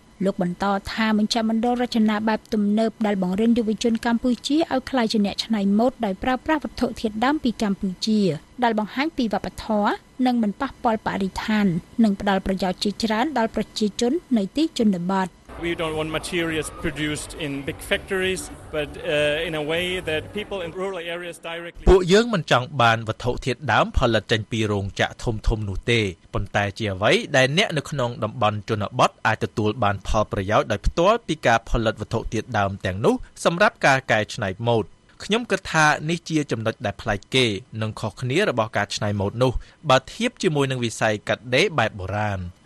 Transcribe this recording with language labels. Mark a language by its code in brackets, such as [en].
[km] លោកបន្តថាមជ្ឈមណ្ឌលរចនាបែបទំនើបដែលបង្រៀនយុវជនកម្ពុជាឲ្យក្លាយជាអ្នកច្នៃម៉ូដដោយប្រើប្រាស់វត្ថុធាតុដើមពីកម្ពុជាដែលបង្ហាញពីវប្បធម៌និងមិនប៉ះពាល់បរិស្ថាននិងផ្ដល់ប្រយោជន៍ជាច្រើនដល់ប្រជាជននៅទីជនបទ [en] We don't want materials produced in big factories but in a way that people in rural areas directly [km] ពួកយើងមិនចង់បានវត្ថុធាតុដើមផលិតចេញពីរោងចក្រធំធំនោះទេប៉ុន្តែជាអ្វីដែលអ្នកនៅក្នុងតំបន់ជនបទអាចទទួលបានផលប្រយោជន៍ដោយផ្ទាល់ពីការផលិតវត្ថុធាតុដើមទាំងនោះសម្រាប់ការកែច្នៃម៉ូដខ្ញុំគិតថានេះជាចំណុចដែលប្លែកគេនិងខុសគ្នារបស់ការច្នៃម៉ូដនោះបើធៀបជាមួយនឹងវិស័យកាត់ដេរបែបបុរាណ